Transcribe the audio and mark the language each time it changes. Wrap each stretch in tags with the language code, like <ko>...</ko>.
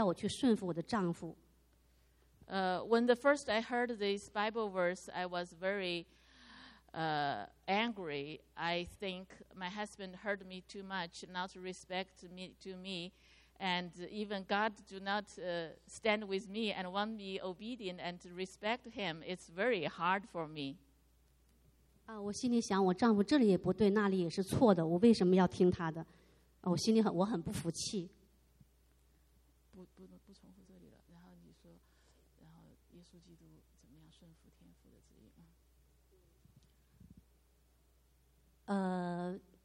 <zh>其实听了这个话，我心里是很难过的，因为我觉得我老公他伤我这么深，我真的已经很痛苦了。那个这个姐妹呢，她不帮我说话哈，还要我去顺服我的丈夫。</zh> <en>When the first I heard this Bible verse, I was very angry. I think my husband hurt me too much, not respect me to me. And even God do not stand with me and want me obedient and to respect him. It's very hard for me.</en> <zh>我心里想，我丈夫这里也不对，那里也是错的，我为什么要听他的？我心里很不服气。不重复这里了，然后你说，然后耶稣基督怎么样顺服天父的旨意？</zh>